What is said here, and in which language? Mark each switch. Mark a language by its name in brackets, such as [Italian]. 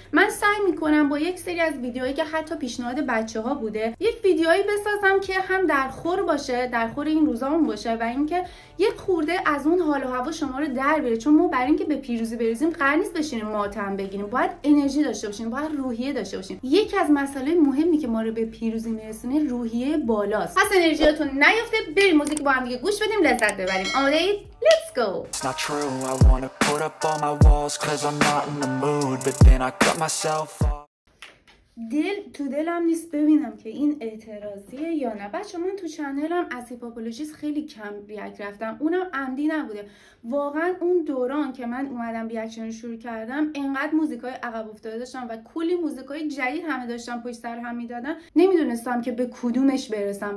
[Persian] من سعی میکنم با یک سری از ویدیوهایی که حتی پیشنهاد بچه‌ها بوده، یک ویدیویی بسازم که هم درخور باشه، درخور این روزامون باشه و اینکه یک خورده از اون حال و هوا شما رو در بیاره. چون ما برای اینکه به پیروزی برسیم قرار نیست بشینیم ماتم بگیریم، باید انرژی داشته باشیم، باید روحیه داشته باشیم. یکی از مسائل مهمی که ما رو به پیروزی میرسونه روحیه بالاست. پس انرژیاتون نیفته، بریم موزیک با هم دیگه گوش بدیم، لذت ببریم. آماده اید؟ [English] Let's go. It's not true, I wanna put up all my walls cause I'm not in the mood, but then I cut myself off. [Persian] دل تو دلم نیست ببینم که این اعتراضیه یا نه. بچه من تو چنلم از هیپاپولوژیست خیلی کم ریاکت رفتم، اونم عمدی نبوده. واقعا اون دوران که من اومدم ریاکشن شروع کردم، انقدر موزیکای عقب افتاده داشتم و کلی موزیکای جدید همه داشتم پشت سر هم میدادم، نمیدونستم که به کدومش برسم.